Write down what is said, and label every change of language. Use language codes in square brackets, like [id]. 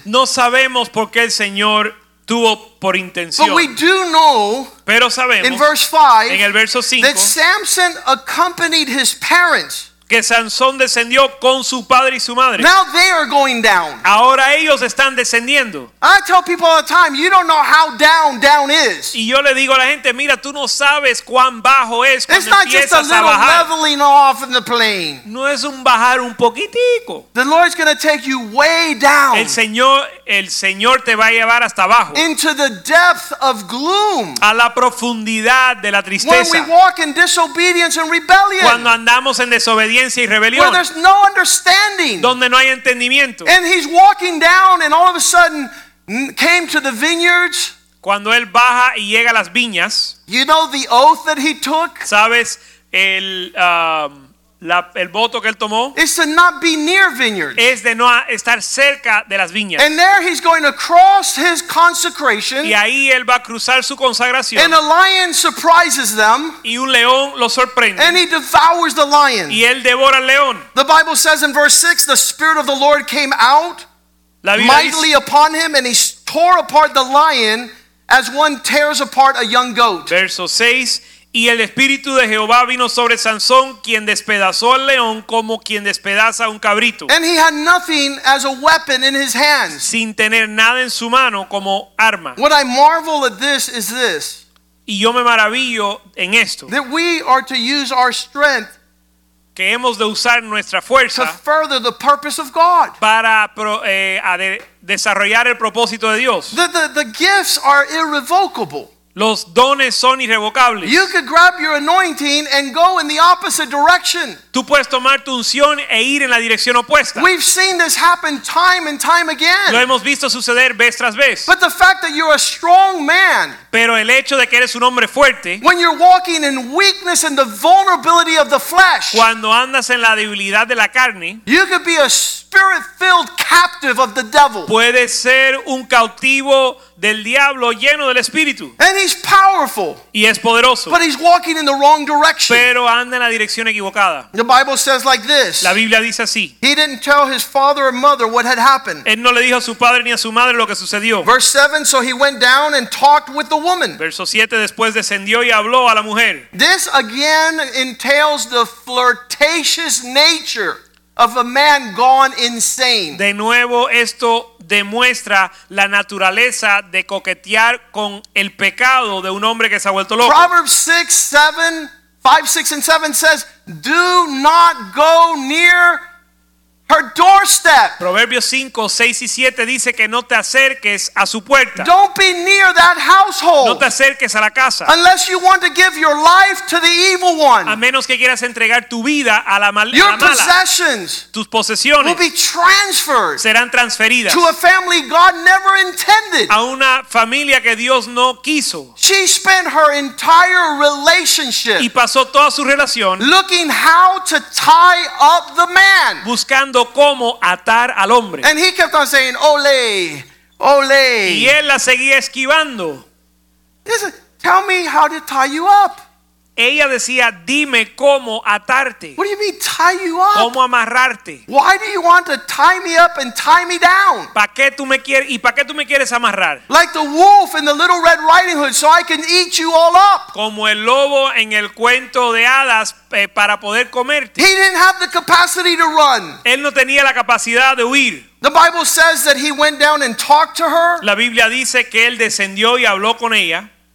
[es] No sabemos por qué el Señor tuvo por intención. [en] But we do know. [es] Pero sabemos. [en] In verse 5. [es] En el verso 5. [en] That Samson accompanied his parents. [es] Que Sansón descendió con su padre y su madre. [en] Now they are going down. [es] Ahora ellos están descendiendo. [en] I tell people all the time, you don't know how down is. [es] Y yo le digo a la gente, mira, tú no sabes cuán bajo es cuando empiezas a bajar. [en] It's not just a little leveling off in the plane. [es] No es un bajar un poquitico. [en] The Lord's going to take you way down. [es] El Señor te va a llevar hasta abajo. [en] Into the depth of gloom. [es] A la profundidad de la tristeza. [en] When we walk in disobedience and rebellion. [es] Cuando andamos en desobediencia y rebelión. [en] Where there's no understanding. [es] Donde no hay entendimiento. [en] And he's walking down and all of a sudden came to the vineyards. [es] Cuando él baja y llega a las viñas. [en] You know the oath that he took? [es] ¿Sabes el voto que él tomó? [en] Is to not be near vineyards. [es] Es de no estar cerca de las viñas. [en] And there he's going to cross his consecration. [es] Y ahí él va a cruzar su consagración. [en] And a lion surprises them. [es] Y un león lo sorprende. [en] And he devours the lion. [es] Y él devora al león. [en] The Bible says in verse 6, the spirit of the Lord came out mightily upon him, and he tore apart the lion as one tears apart a young goat. [es] Verso 6. Y el Espíritu de Jehová vino sobre Sansón, quien despedazó al león como quien despedaza un cabrito. [en] And he had nothing as a weapon in his hands. [es] Sin tener nada en su mano como arma. [en] What I marvel at this is this. [es] Y yo me maravillo en esto. [en] That we are to use our strength [es] que hemos de usar nuestra fuerza [en] to further the purpose of God. [es] Para desarrollar el propósito de Dios. [en] The gifts are irrevocable. [es] Los dones son irrevocables. [en] You could grab your anointing and go in the opposite direction. [es] Tú puedes tomar tu unción e ir en la dirección opuesta. [en] We've seen this happen time and time again. [es] Lo hemos visto suceder vez tras vez. [en] But the fact that you're a strong man, [es] pero el hecho de que eres un hombre fuerte, [en] when you're walking in weakness and the vulnerability of the flesh, [es] cuando andas en la debilidad de la carne, [en] you could be a spirit-filled captive of the devil. [es] Puedes ser un cautivo del diablo lleno del espíritu. [en] And he's powerful. [es] Y es poderoso. [en] But he's walking in the wrong direction. [es] Pero anda en la dirección equivocada. [en] The Bible says like this. [es] La Biblia dice así. [en] He didn't tell his father or mother what had happened. [es] Él no le dijo a su padre ni a su madre lo que sucedió. [en] Verse 7, so he went down and talked with the woman. [es] Verso 7, después descendió y habló a la mujer. [en] This again entails the flirtatious nature of a man gone insane. [es] De nuevo, esto demuestra la naturaleza de coquetear con el pecado de un hombre que se ha vuelto loco. [en] Proverbs 6, 7, 5, 6, and 7 says, do not go near her doorstep. [es] Proverbios 5, 6 y 7 dice que no te acerques a su puerta. [en] Don't be near that household. [es] No te acerques a la casa. [en] Unless you want to give your life to the evil one. [es] A menos que quieras entregar tu vida a la mala. [en] Your possessions, [es] tus posesiones, [en] will be transferred. [es] Serán transferidas. [en] To a family God never intended. [es] A una familia que Dios no quiso. [en] She spent her entire relationship. [es] Y pasó toda su relación. [en] Looking how to tie up the man. [es] Buscando cómo atar al hombre. [en] And he kept on saying, ole, ole. [es] Y él la seguía esquivando. [en] Listen, tell me how to tie you up. [es] Ella decía, dime cómo atarte. [en] What do you mean, tie you up? [es] ¿Cómo amarrarte? [en] Why do you want to tie me up and tie me down? [es] ¿Para qué tú me quieres y para qué tú me quieres amarrar? [en] Like the wolf in the Little Red Riding Hood, so I can eat you all up. [es] Como el lobo en el cuento de hadas, para poder comerte. [en] He didn't have the capacity to run. [es] Él no tenía la capacidad de huir. [en] The Bible says that he went down and talked to her. [es] La Biblia dice que él descendió y habló con ella.